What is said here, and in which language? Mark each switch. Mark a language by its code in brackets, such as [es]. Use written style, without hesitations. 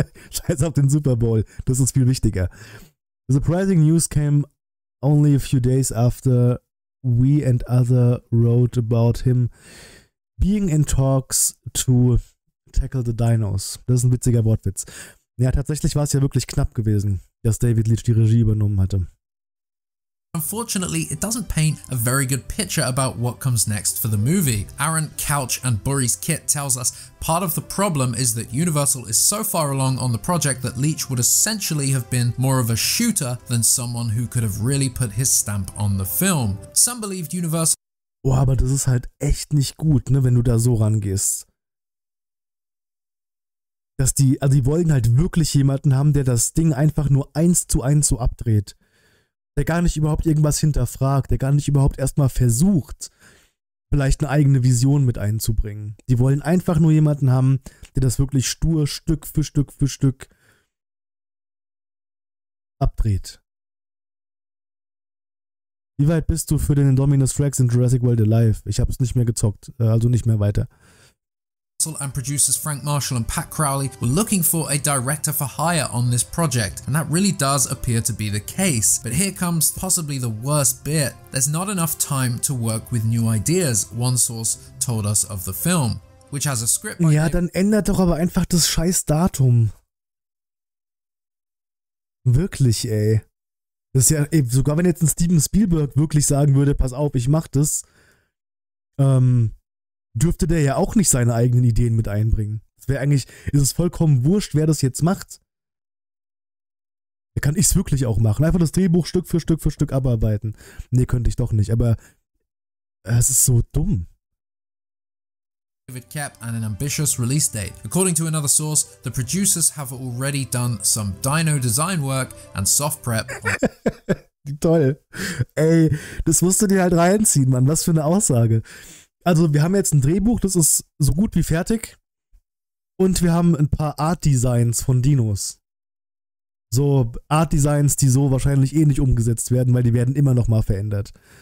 [de] Scheiß auf den Super Bowl, das ist viel wichtiger. [en] The surprising news came only a few days after we and other wrote about him being in talks to tackle the dinos. [de] Das ist ein witziger Wortwitz. Ja, tatsächlich war es ja wirklich knapp gewesen, dass David Leitch die Regie übernommen hatte. [en] Unfortunately, it doesn't paint a very good picture about what comes next for the movie. Aaron Couch and Burry's Kit tells us part of the problem is that Universal is so far along on the project that Leitch would essentially have been more of a shooter than someone who could have really put his stamp on the film. Some believed Universal. [de] Boah, aber das ist halt echt nicht gut, ne, wenn du da so rangehst. Dass die, also die wollen halt wirklich jemanden haben, der das Ding einfach nur 1:1 so abdreht. Der gar nicht überhaupt irgendwas hinterfragt, der gar nicht überhaupt erstmal versucht, vielleicht eine eigene Vision mit einzubringen. Die wollen einfach nur jemanden haben, der das wirklich stur Stück für Stück für Stück abdreht. Wie weit bist du für den Indominus Rex in Jurassic World Alive? Ich hab's nicht mehr gezockt, also nicht mehr weiter. [en] And producers Frank Marshall and Pat Crowley were looking for a director for hire on this project, and that really does appear to be the case. But here comes possibly the worst bit. There's not enough time to work with new ideas, one source told us of the film, which has a script. [de] Ja, dann ändert doch aber einfach das scheiß Datum. Wirklich, ey. Das ist ja, ey, sogar wenn jetzt ein Steven Spielberg wirklich sagen würde, pass auf, ich mach das. Dürfte der ja auch nicht seine eigenen Ideen mit einbringen. Es wäre eigentlich, ist es vollkommen wurscht, wer das jetzt macht. Da kann ich es wirklich auch machen. Einfach das Drehbuch Stück für Stück für Stück abarbeiten. Nee, könnte ich doch nicht, aber es ist so dumm. [en] David Kep and an ambitious release date. According to another source, the producers have already done some dino design work and soft prep. [de] Toll. Ey, das musst du dir halt reinziehen, Mann. Was für eine Aussage. Also wir haben jetzt ein Drehbuch, das ist so gut wie fertig und wir haben ein paar Art-Designs von Dinos. So Art-Designs, die so wahrscheinlich eh nicht umgesetzt werden, weil die werden immer nochmal verändert.